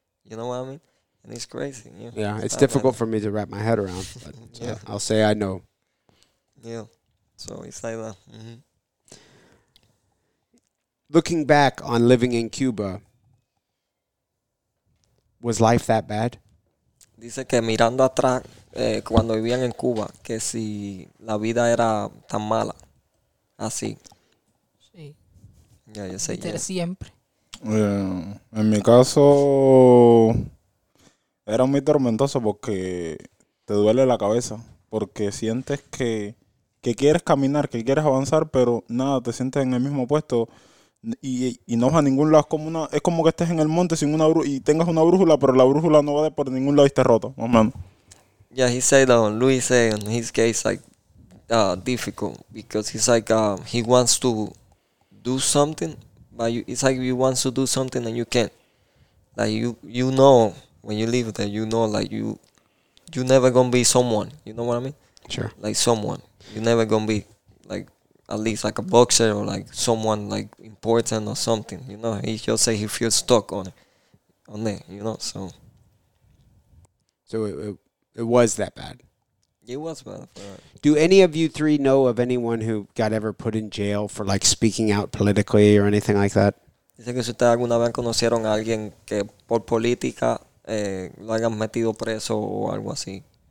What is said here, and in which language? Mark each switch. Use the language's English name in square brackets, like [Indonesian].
[English] You know what I mean? And it's crazy. Yeah, it's difficult for me to wrap my head around. But yeah. I'll say I know. Yeah, so it's like that. Mm-hmm. Looking back on living in Cuba, was life that bad? [Spanish] Dice que mirando atrás, cuando vivían en Cuba, que si la vida era tan mala, así. Sí. Ya, yo sé. Pero siempre. [English] Yeah. [Spanish] En mi caso, era muy tormentoso porque te duele la cabeza, porque sientes que quieres caminar, que quieres avanzar, pero nada, te sientes en el mismo puesto y no vas a ningún lado. Es como que estés en el monte sin una brújula y tengas una brújula, pero la brújula no va de por ningún lado y está rota, más o menos. [English] Yeah, he said that Luis said in his case like difficult because he's like he wants to do something, but it's like you want to do something and you can't. Like you know. When you leave there, you know, like, you never going to be someone. You know what I mean? Sure. Like, someone. You never going to be, like, at least, like, a boxer or, like, someone, like, important or something. You know, he just say he feels stuck on it, you know, so. So, it was that bad? It was bad. Do any of you three know of anyone who got ever put in jail for, like, speaking out politically or anything like that? [Spanish] Dice que si ustedes alguna vez conocieron a alguien que por política lo hayan metido preso o algo así.